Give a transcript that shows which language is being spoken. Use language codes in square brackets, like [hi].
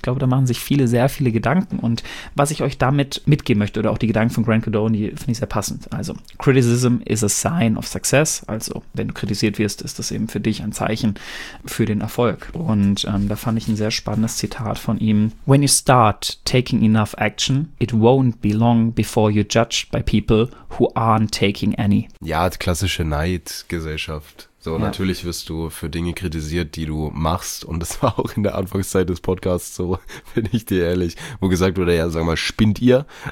[de] Ich glaube, da machen sich viele sehr viele Gedanken und was ich euch damit mitgeben möchte oder auch die Gedanken von Grant Cardone, die finde ich sehr passend. Also, [en] Criticism is a sign of success. [de] Also, wenn du kritisiert wirst, ist das eben für dich ein Zeichen für den Erfolg. Und da fand ich ein sehr spannendes Zitat von ihm. [en] When you start taking enough action, it won't be long before you're judged by people who aren't taking any. [de] Ja, die klassische Neidgesellschaft. So, ja. Natürlich wirst du für Dinge kritisiert, die du machst. Und das war auch in der Anfangszeit des Podcasts so, bin ich dir ehrlich, wo gesagt wurde, ja, sag mal, spinnt ihr?